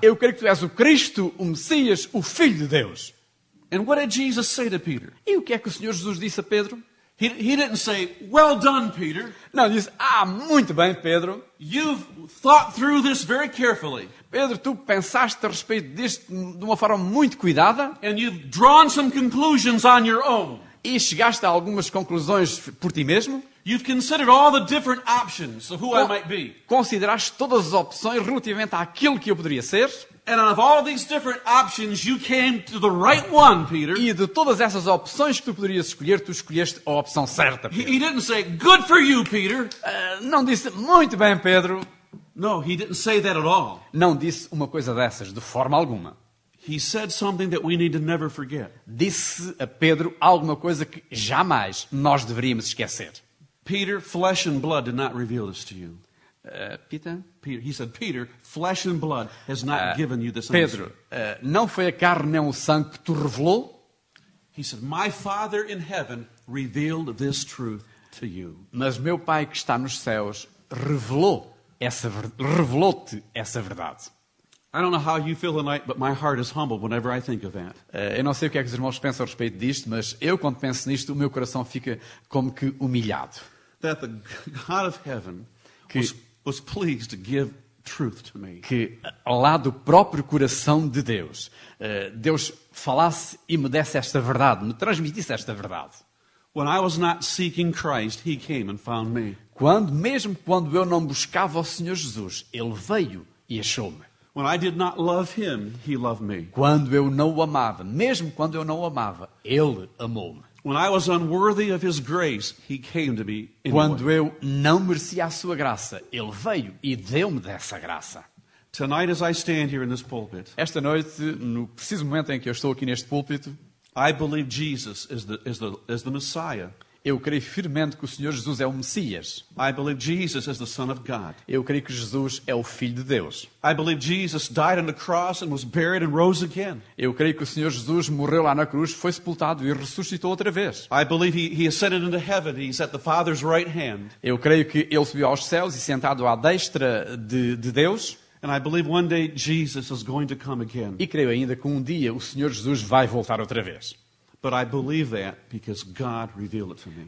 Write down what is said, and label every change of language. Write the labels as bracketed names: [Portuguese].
[Portuguese] Eu creio que tu és o Cristo, o Messias, o Filho de Deus. [English] And what did Jesus say to Peter? [Portuguese] E o que é que o Senhor Jesus disse a Pedro? [English] He didn't say, "Well done, Peter." [Portuguese] Não, disse, "Ah, muito bem, Pedro." [English] "You've thought through this very carefully." [Portuguese] Pedro, tu pensaste a respeito disto de uma forma muito cuidada. [English] "And you've drawn some conclusions on your own." [Portuguese] E chegaste a algumas conclusões por ti mesmo? [English] "You've considered all the different options of who I might be." [Portuguese] Consideraste todas as opções relativamente àquilo que eu poderia ser? [English] "And out of all these different options, you came to the right one, Peter." [Portuguese] E de todas essas opções que tu poderias escolher, tu escolheste a opção certa, Pedro. [English] He didn't say, "Good for you, Peter." [Portuguese] Não disse, "Muito bem, Pedro." [English] No, he didn't say that at all. [Portuguese] Não disse uma coisa dessas, de forma alguma. [English] He said something that we need to never forget. [Portuguese] Disse a Pedro alguma coisa que jamais nós deveríamos esquecer. [English] "Peter, flesh and blood did not reveal this to you." Peter? He said, "Peter, flesh and blood has not given you this answer." [Portuguese] Pedro, não foi a carne nem o sangue que tu revelou? [English] He said, "My Father in heaven revealed this truth to you." [Portuguese] Mas meu Pai que está nos céus revelou-te essa verdade. [English] I don't know how you feel tonight, but my heart is humbled whenever I think of that. [Portuguese] Eu não sei o que é que os irmãos pensam a respeito disto, mas eu quando penso nisto, o meu coração fica como que humilhado. [English] That the God of heaven was pleased to give truth to me. [Portuguese] Que ao lado do próprio coração de Deus, Deus falasse e me desse esta verdade, me transmitisse esta verdade. [English] When I was not seeking Christ, he came and found me. [Portuguese] Mesmo quando eu não buscava o Senhor Jesus, ele veio e achou-me. [English] When I did not love him, he loved me. [Portuguese] Quando eu não o amava, mesmo quando eu não o amava, ele amou-me. [English] When I was unworthy of his grace, he came to me anyway. [Portuguese] Quando eu não merecia a sua graça, ele veio e deu-me dessa graça. [English] Tonight, as I stand here in this pulpit, [Portuguese] esta noite, no preciso momento em que eu estou aqui neste púlpito, [English] I believe Jesus is the Messiah. [Portuguese] Eu creio firmemente que o Senhor Jesus é o Messias. [English] I believe Jesus is the Son of God. [Portuguese] Eu creio que Jesus é o Filho de Deus. [English] I believe Jesus died on the cross and was buried and rose again. [Portuguese] Eu creio que o Senhor Jesus morreu lá na cruz, foi sepultado e ressuscitou outra vez. [English] I believe he ascended into heaven. He's at the Father's right hand. [Portuguese] Eu creio que ele subiu aos céus e sentado à destra de Deus. [English] And I believe one day Jesus is going to come again. [Portuguese] E creio ainda que um dia o Senhor Jesus vai voltar outra vez. [English] But I believe that because God revealed it to me.